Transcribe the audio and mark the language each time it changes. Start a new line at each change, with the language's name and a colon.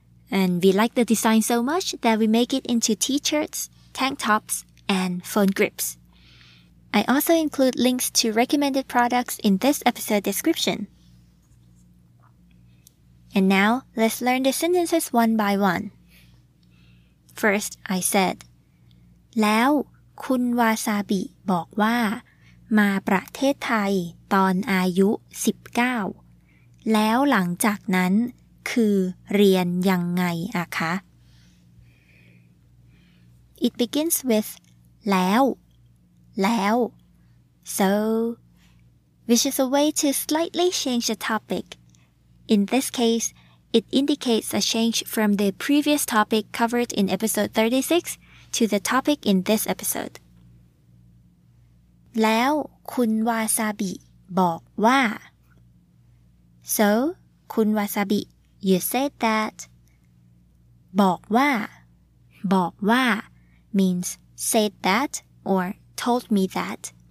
English: And we like the design so much that we make it into t-shirts, tank tops, and phone grips. I also include links to recommended products in this episode description. And now, let's learn the sentences one by one. First, I said,
Thai: แล้วคุณวาซาบิบอกว่ามาประเทศไทยตอนอายุ19แล้วหลังจากนั้นคือเรียนยังไงอะคะ
English: It begins with
Thai: แล้ว
English: So, which is a way to slightly change the topic. In this case,It indicates a change from the previous topic covered in episode 36 to the topic in this episode.
Thai: แล้วคุณวาซาบิบอกว่า
English: So, คุณวาซาบิ you said that
Thai: บอกว่า บอกว่า
English: means said that or told me that.